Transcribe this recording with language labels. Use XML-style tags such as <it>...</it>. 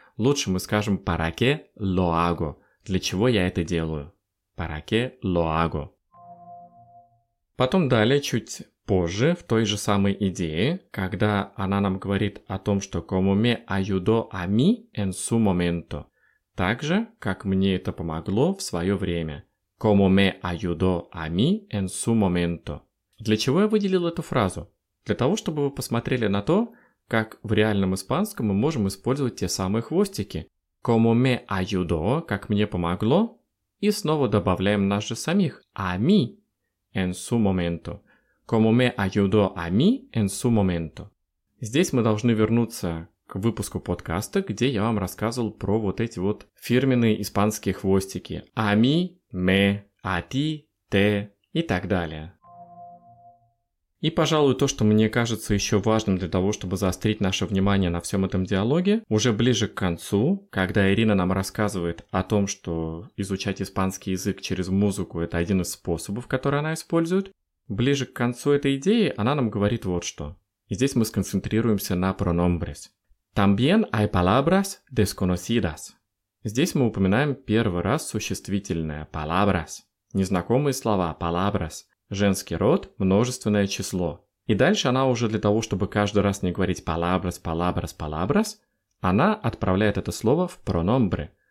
<ru>Лучше мы скажем</ru> <es>«para qué lo hago».</es> <ru>«Для чего я это делаю?»</ru> <es>«Para qué lo hago?»</es> <ru>Потом далее, чуть позже, в той же самой идее, когда она нам говорит о том, что</ru> <es>«como me ayudó a mí en su momento».</es> <ru>Так же, как мне это помогло в свое время.</ru> <es>«Como me ayudó a mí en su momento».</es> <ru>Для чего я выделил эту фразу? Для того, чтобы вы посмотрели на то, как в реальном испанском мы можем использовать те самые хвостики.</ru> <es>«Como me ayudó»,</es> <ru>«как мне помогло», и снова добавляем нас же самих.</ru> <es>«A mí en su momento». «Como me ayudó a mí en su momento».</es> <ru>Здесь мы должны вернуться к выпуску подкаста, где я вам рассказывал про вот эти вот фирменные испанские хвостики.</ru> <es>«A mí», «me», «a ti», «te»</es> <ru>и так далее. И, пожалуй, то, что мне кажется еще важным для того, чтобы заострить наше внимание на всем этом диалоге, уже ближе к концу, когда Ирина нам рассказывает о том, что изучать испанский язык через музыку – это один из способов, который она использует, ближе к концу этой идеи она нам говорит вот что. И здесь мы сконцентрируемся на pronombres.</ru> <es>También hay palabras desconocidas.</es> <ru>Здесь мы упоминаем первый раз существительное palabras. Незнакомые слова palabras. Женский род, множественное число. И дальше она уже для того, чтобы каждый раз не говорить palabras, palabras, palabras, она отправляет это слово в pronombre.</ru>